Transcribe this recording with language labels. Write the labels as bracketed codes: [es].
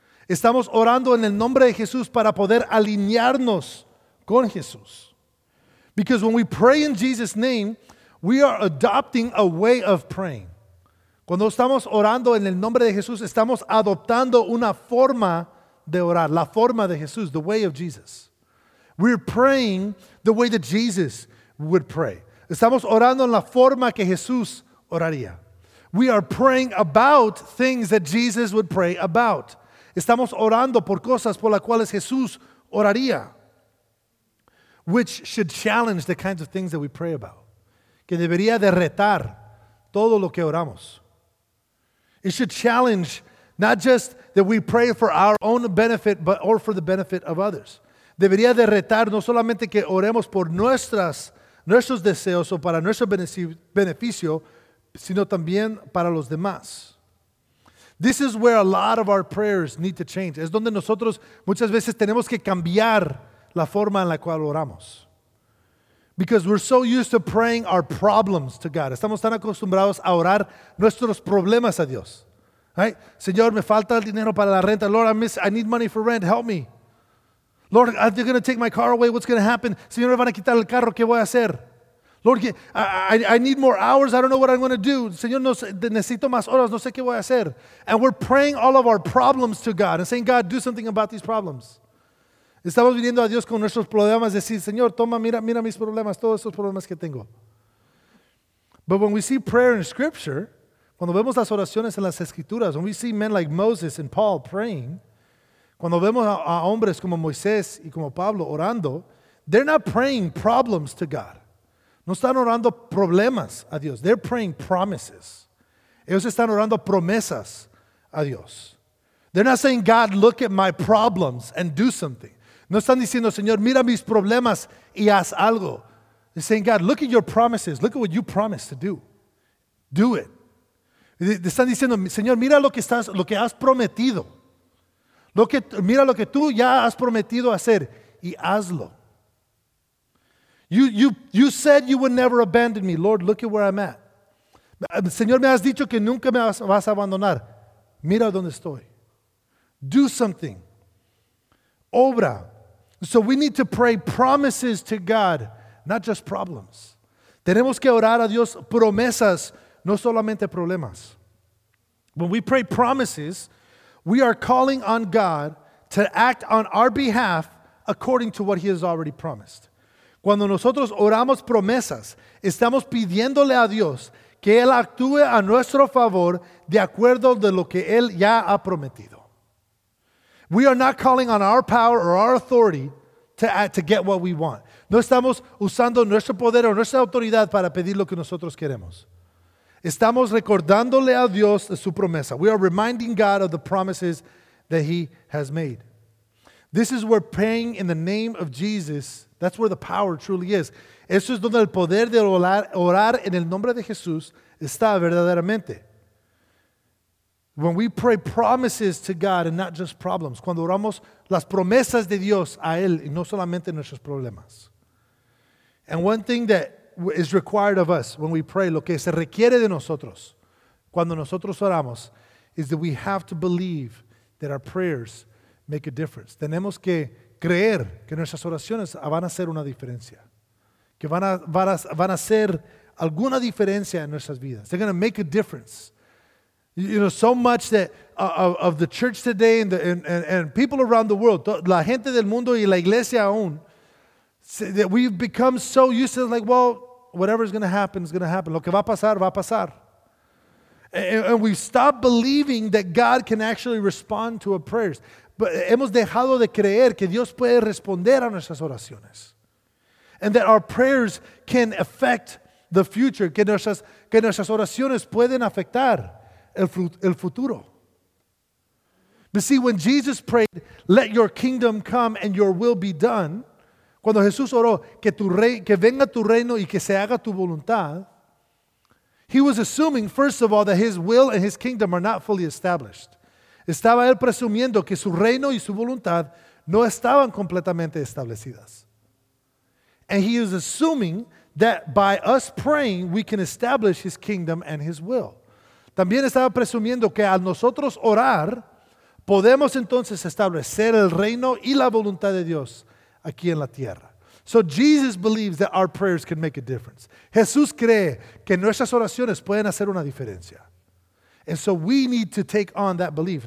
[es] Estamos orando en el nombre de Jesús para poder alinearnos con Jesús. [en] Because when we pray in Jesus' name, we are adopting a way of praying. [es] Cuando estamos orando en el nombre de Jesús, estamos adoptando una forma de orar, la forma de Jesús, [en] the way of Jesus. We're praying the way that Jesus would pray. [es] Estamos orando en la forma que Jesús oraría. [en] We are praying about things that Jesus would pray about. [es] Estamos orando por cosas por las cuales Jesús oraría, [en] which should challenge the kinds of things that we pray about. [es] Que debería de retar todo lo que oramos. [en] It should challenge not just that we pray for our own benefit, but or for the benefit of others. [es] Debería de retar no solamente que oremos por nuestros deseos o para nuestro beneficio, sino también para los demás. [en] This is where a lot of our prayers need to change. [es] Es donde nosotros muchas veces tenemos que cambiar la forma en la cual oramos. [en] Because we're so used to praying our problems to God. [es] Estamos tan acostumbrados a orar nuestros problemas a Dios. [en] Right? [es] Señor, me falta el dinero para la renta. [en] Lord, I need money for rent. Help me. Lord, they're going to take my car away. What's going to happen? [es] Señor, me van a quitar el carro. ¿Qué voy a hacer? [en] Lord, I need more hours. I don't know what I'm going to do. [es] Señor, no, necesito más horas. No sé qué voy a hacer. [en] And we're praying all of our problems to God and saying, God, do something about these problems. [es] Estamos viniendo a Dios con nuestros problemas. Decir, Señor, toma, mira mis problemas, todos esos problemas que tengo. [en] But when we see prayer in Scripture, [es] cuando vemos las oraciones en las Escrituras, [en] when we see men like Moses and Paul praying, [es] cuando vemos a hombres como Moisés y como Pablo orando, [en] they're not praying problems to God. [es] No están orando problemas a Dios. [en] They're praying promises. [es] Ellos están orando promesas a Dios. [en] They're not saying, God, look at my problems and do something. [es] No están diciendo, Señor, mira mis problemas y haz algo. [en] They're saying, God, look at your promises. Look at what you promised to do. Do it. [es] Están diciendo, Señor, mira lo que has prometido. Mira lo que tú ya has prometido hacer y hazlo. [en] You said you would never abandon me. Lord, look at where I'm at. [es] Señor, me has dicho que nunca me vas a abandonar. Mira dónde estoy. [en] Do something. [es] Obra. [en] So we need to pray promises to God, not just problems. [es] Tenemos que orar a Dios promesas, no solamente problemas. [en] When we pray promises, we are calling on God to act on our behalf according to what he has already promised. [es] Cuando nosotros oramos promesas, estamos pidiéndole a Dios que Él actúe a nuestro favor de acuerdo de lo que Él ya ha prometido. [en] We are not calling on our power or our authority to get what we want. [es] No estamos usando nuestro poder o nuestra autoridad para pedir lo que nosotros queremos. Estamos recordándole a Dios de su promesa. [en] We are reminding God of the promises that he has made. This is where praying in the name of Jesus, that's where the power truly is. [es] Eso es donde el poder de orar en el nombre de Jesús está verdaderamente. [en] When we pray promises to God and not just problems. [es] Cuando oramos las promesas de Dios a Él y no solamente nuestros problemas. [en] And one thing that is required of us when we pray, [es] lo que se requiere de nosotros cuando nosotros oramos, [en] is that we have to believe that our prayers make a difference. [es] Tenemos que creer que nuestras oraciones van a hacer una diferencia. Que van a hacer alguna diferencia en nuestras vidas. [en] They're going to make a difference. You know, so much that of the church today and people around the world, [es] la gente del mundo y la iglesia aún, [en] that we've become so used to, like, well, whatever is going to happen is going to happen. [es] Lo que va a pasar, va a pasar. [en] And we stop believing that God can actually respond to our prayers. [es] But hemos dejado de creer que Dios puede responder a nuestras oraciones. [en] And that our prayers can affect the future. [es] Que nuestras oraciones pueden afectar el futuro. [en] But see, when Jesus prayed, let your kingdom come and your will be done. [es] Cuando Jesús oró, que venga tu reino y que se haga tu voluntad. [en] He was assuming, first of all, that his will and his kingdom are not fully established. [es] Estaba él presumiendo que su reino y su voluntad no estaban completamente establecidas. [en] And he is assuming that by us praying, we can establish his kingdom and his will. [es] También estaba presumiendo que al nosotros orar, podemos entonces establecer el reino y la voluntad de Dios aquí en la tierra. [en] So Jesus believes that our prayers can make a difference. [es] Jesús cree que nuestras oraciones pueden hacer una diferencia. [en] And so we need to take on that belief.